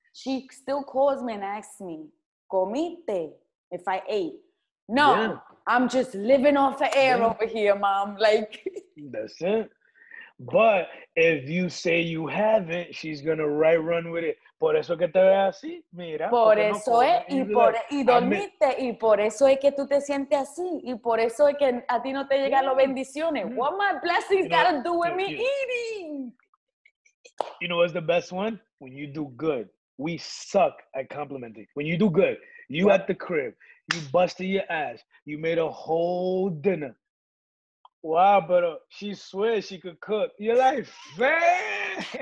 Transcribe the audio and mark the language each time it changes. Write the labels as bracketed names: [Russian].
[English] she still calls me and asks me, comite, if I ate. No, yeah. I'm just living off the air over here, Mom. Like that's it. But if you say you haven't, she's going to right run with it. [Spanish] Por eso que te ve así, mira. Por eso es, y dormiste, y por eso es que tú te sientes así, y por eso es que a ti no te llegan las bendiciones. [English] What my blessings got to do with me eating? You know what's the best one? When you do good. We suck at complimenting. When you do good, you at the crib, you busted your ass, you made a whole dinner. Wow, but she swears she could cook. You're like, fam!